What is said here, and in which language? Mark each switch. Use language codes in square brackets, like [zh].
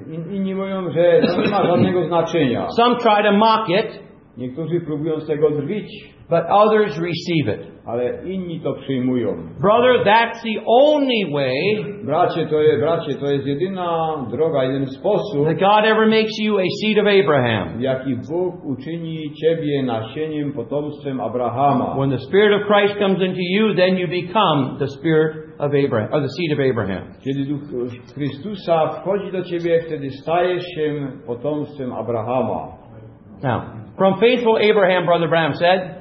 [pl] Inni mówią, że to nie ma żadnego znaczenia. [en] Some try to mock it. [pl] Niektórzy próbują z tego drwić. [en] But others receive it. [pl] Ale inni to przyjmują. [en] Brother, that's the only way. [pl] Bracie, to jest jedyna droga, jeden sposób. [en] That God ever makes you a seed of Abraham. [pl] Jaki Bóg uczyni ciebie nasieniem, potomstwem Abrahama. [en] When the Spirit of Christ comes into you, then you become the Spirit of Abraham, or the seed of Abraham. [pl] Kiedy Duch Chrystusa wchodzi do ciebie, wtedy stajesz się potomstwem Abrahama. [en] Now, from faithful Abraham, Brother Branham said.